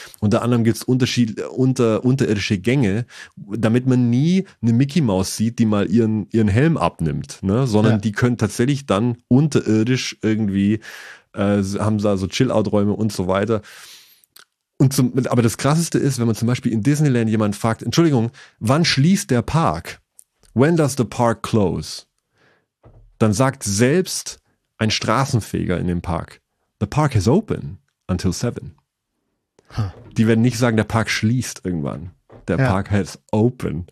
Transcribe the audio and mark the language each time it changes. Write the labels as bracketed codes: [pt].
[de] Unter anderem gibt es unterirdische Gänge, damit man nie eine Mickey Maus sieht, die mal ihren Helm abnimmt, ne? Sondern ja, die können tatsächlich dann unterirdisch irgendwie, haben da so Chill-Out-Räume und so weiter. Aber das Krasseste ist, wenn man zum Beispiel in Disneyland jemand fragt, Entschuldigung, wann schließt der Park? [en] When does the park close? [de] Dann sagt selbst ein Straßenfeger in dem Park, [en] the park is open until 7. [de] Huh. Die werden nicht sagen, der Park schließt irgendwann. Der Park [en] has open.